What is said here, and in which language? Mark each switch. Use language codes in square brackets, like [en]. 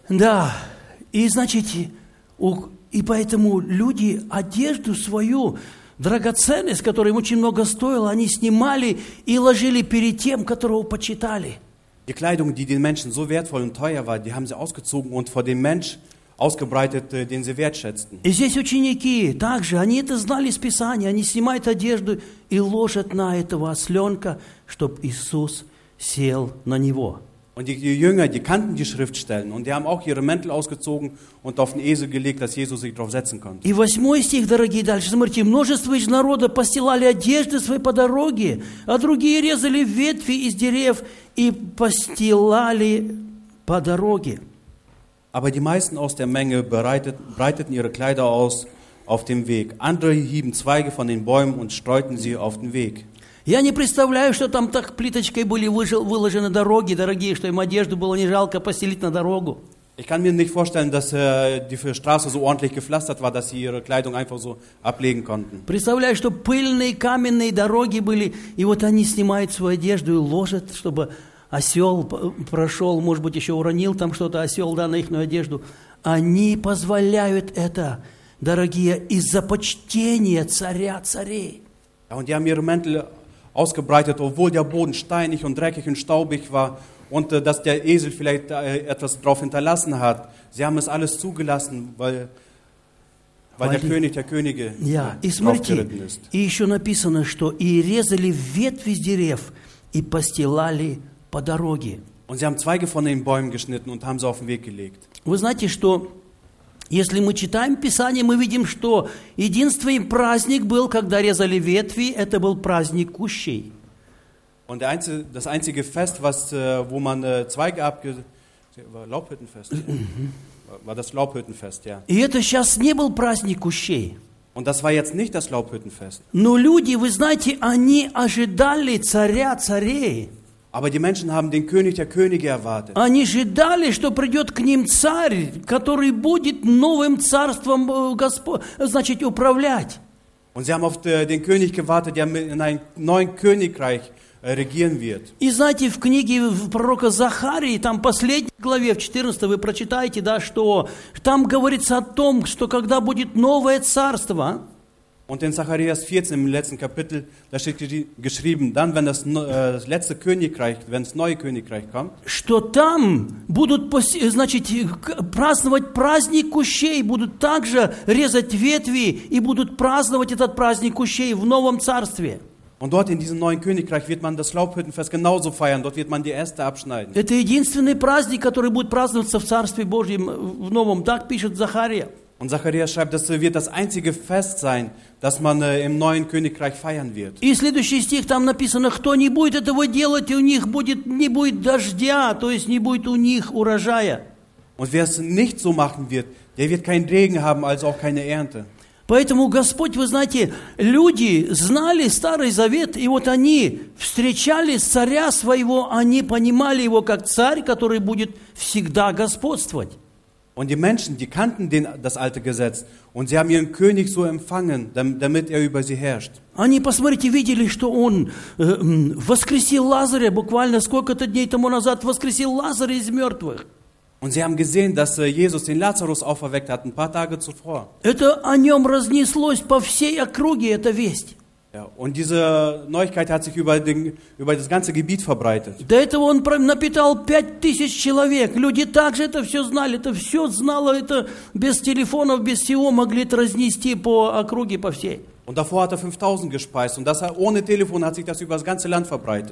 [ru] Да, и значит, и поэтому люди одежду свою, драгоценность, которая им очень много стоила, они снимали и ложили перед тем, которого почитали. [de] Die Kleidung, die den Menschen so wertvoll und teuer war, die haben sie ausgezogen und vor dem Mensch ausgebreitet, den sie wertschätzten. [ru] И здесь ученики также, они это знали из Писания, они снимают одежду и ложат на этого осленка, чтобы Иисус сел на него. [de] Und die Jünger, die kannten die Schriftstellen und die haben auch ihre Mäntel ausgezogen und auf den Esel gelegt, dass Jesus sich drauf setzen konnte. [ru] И восьмой стих, дорогие, дальше смотрите, множество из народа постилали одежды свои по дороге, а другие резали ветви из деревьев и постилали по дороге. [de] Aber die meisten aus der Menge breiteten ihre Kleider aus auf dem Weg. Andere hieben Zweige von den Bäumen und streuten sie auf den Weg. [ru] Я не представляю, что там так плиточкой были выложены дороги, дорогие, что им одежду было не жалко постелить на дорогу. [de] Ich kann mir nicht vorstellen, dass die Straße so ordentlich gepflastert war, dass sie ihre Kleidung einfach so ablegen konnten. [ru] Представляю, что пыльные каменные дороги были, и вот они снимают свою одежду и ложат, чтобы осел прошел, может быть, еще уронил там что-то, осел, да, на ихнюю одежду. Они позволяют это, дорогие, из-за почтения царя царей. [de] Ja, und die haben ihre Mäntel ausgebreitet, obwohl der Boden steinig und dreckig und staubig war und dass der Esel vielleicht etwas drauf hinterlassen hat. Sie haben es alles zugelassen, weil der König der Könige ja, draufgeritten ist. [ru] И еще написано, что и резали ветви с дерев и постилали по дороге. [de] Und sie haben Zweige von den Bäumen geschnitten und haben sie auf den Weg gelegt. [ru] Вы знаете, что если мы читаем Писание, мы видим, что единственный праздник был, когда резали ветви, это был праздник кущей. [de] Und das einzige Fest, wo man Zweige Laubhüttenfest. War das Laubhüttenfest, ja. [ru] И это сейчас не был праздник кущей. [de] Und das war jetzt nicht das Laubhüttenfest. [ru] Но люди, вы знаете, они ожидали царя царей. [de] Aber die Menschen haben den König der Könige erwartet. [ru] Они ожидали, что придет к ним царь, который будет новым царством значит, управлять. [de] Und sie haben auf den König gewartet, der in einem neuen Königreich regieren wird. [ru] И знаете, в книге пророка Захарии, там последней главе, в 14, вы прочитаете, да, что там говорится о том, что когда будет новое царство, [de] und in Zacharias 14, im letzten Kapitel, da steht geschrieben, dann, wenn das letzte Königreich, wenn das neue Königreich kommt, [ru] что там будут, значит, праздновать праздник кущей, будут также резать ветви и будут праздновать этот праздник кущей в новом царстве. [de] Und dort in diesem neuen Königreich wird man das Laubhüttenfest genauso feiern, dort wird man die Äste abschneiden. [ru] Это единственный праздник, который будет праздноваться в Царстве Божьем в новом, так пишет Захария. [de] Und Zacharias schreibt, das wird das einzige Fest sein, das man im neuen Königreich feiern wird. [ru] И следующий стих там написано, кто не будет этого делать, у них будет не будет дождя, то есть не будет у них урожая. [de] Und wer es nicht so machen wird, der wird keinen Regen haben, also auch keine Ernte. [ru] Поэтому Господь, вы знаете, люди знали Старый Завет, и вот они встречали царя своего, они понимали его как царь, который будет всегда господствовать. [de] Und die Menschen, die kannten das alte Gesetz und sie haben ihren König so empfangen, damit über sie herrscht. [ru] Они, посмотрите, видели, что он воскресил Лазаря, буквально сколько-то дней тому назад воскресил Лазаря из мертвых. [de] Und sie haben gesehen, dass Jesus den Lazarus auferweckt hat, ein paar Tage zuvor. [ru] Это о нем разнеслось по всей округе, эта весть. [de] Ja, und diese Neuigkeit hat sich über das ganze Gebiet verbreitet. [ru] До этого он напитал 5000 человек. Люди также это все знали, это все знало, это без телефонов, без всего могли это разнести по округе, по всей. [de] Und davor hat 5000 gespeist und das ohne Telefon hat sich das über das ganze Land verbreitet.